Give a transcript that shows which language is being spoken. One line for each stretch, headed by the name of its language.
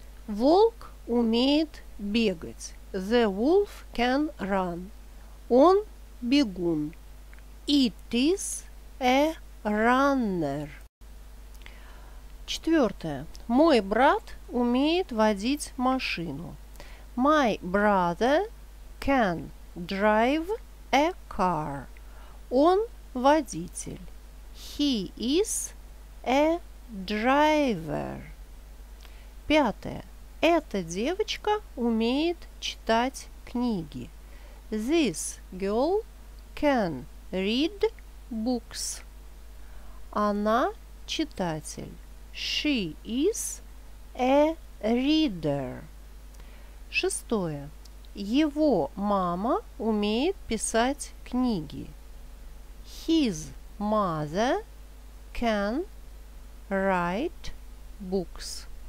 Russian: Волк умеет бегать.
English: The wolf can run.
Russian: Он бегун.
English: It is a runner.
Russian: Четвертое. Мой брат умеет водить машину.
English: My brother can drive a car.
Russian: Он водитель.
English: He is a driver.
Russian: Пятое. Эта девочка умеет читать книги.
English: This girl can read books.
Russian: Она читатель.
English: She is a reader.
Russian: Шестое. Его мама умеет писать книги.
English: His mother can write books.